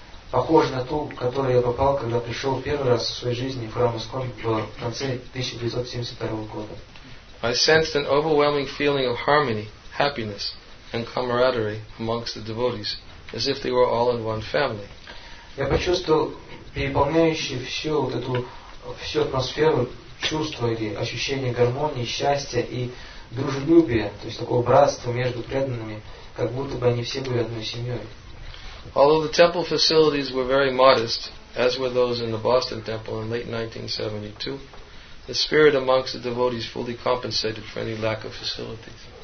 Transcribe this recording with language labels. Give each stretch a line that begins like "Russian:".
Russian: Похоже на ту, в которую я попал, когда пришел первый раз в своей жизни в храм Искон в конце 1972 года.
English: I sensed an overwhelming feeling of harmony, happiness, and camaraderie amongst the devotees, as if they were all in one family.
Russian: Я почувствовал переполняющую всю атмосферу чувства или ощущения гармонии, счастья и дружелюбия, то есть такого братства между преданными, как будто бы они все были одной семьей.
English: Although the temple facilities were very modest, as were those in the Boston temple in late 1972, the spirit amongst the devotees fully compensated for any lack of facilities.